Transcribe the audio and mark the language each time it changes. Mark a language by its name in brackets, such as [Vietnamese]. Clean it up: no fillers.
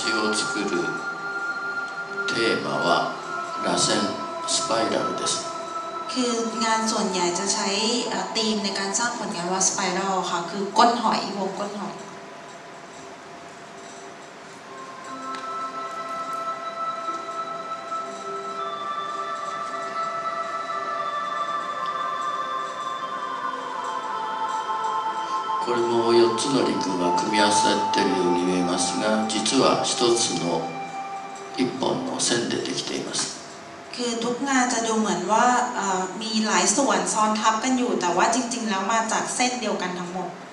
[Japanese] を作るテーマは螺旋スパイラルです。 [Thai] คืองานส่วนใหญ่จะใช้ธีมในการสร้างผลงานว่าสไปไรล์ค่ะคือก้นหอยวงก้นหอย [Japanese] これも4つのリングが組み合わさっているように見えますが、実は1つの1本の線でできています。 [Thai] คือทุกงานจะดูเหมือนว่ามีหลายส่วนซ้อนทับกันอยู่แต่ว่าจริงๆแล้วมา จากเส้นเดียวกันทั้งหมด